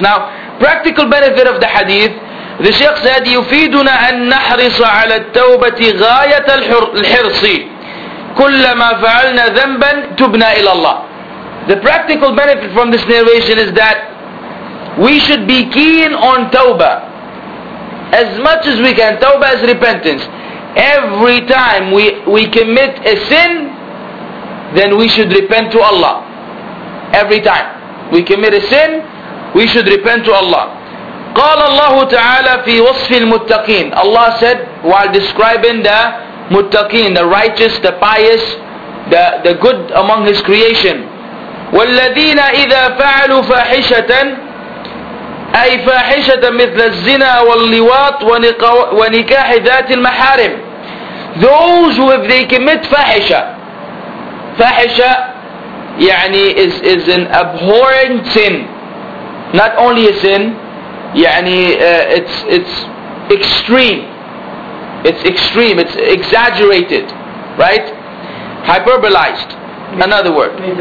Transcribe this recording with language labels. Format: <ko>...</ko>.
<en>Now, practical benefit of the hadith. The Shaykh said,</en> <ar>يُفِيدُنَا أَن نَحْرِصَ عَلَى التَّوْبَةِ غَايَةَ الْحِرْصِ كُلَّمَا فَعَلْنَا ذَنْبًا تُبْنَا إِلَى اللَّهِ.</ar> <en>The practical benefit from this narration is that we should be keen on tawbah as much as we can. Tawbah is repentance. Every time we commit a sin, then we should repent to Allah. Every time we commit a sin, we should repent to Allah.</en> <ar>قال الله تعالى في وصف المتقين.</ar> <en>Allah said while describing the muttaqin, the righteous, the pious, the good among His creation.</en> <ar>والذين إذا فعلوا فاحشة أي فاحشة مثل الزنا واللواط ونكاح ذات المحارم.</ar> <en>Those who if they commit فاحشة, فاحشة يعني is an abhorrent sin. Not only a sin, يعني it's extreme. It's extreme, it's exaggerated, right? Hyperbolized, another word.</en>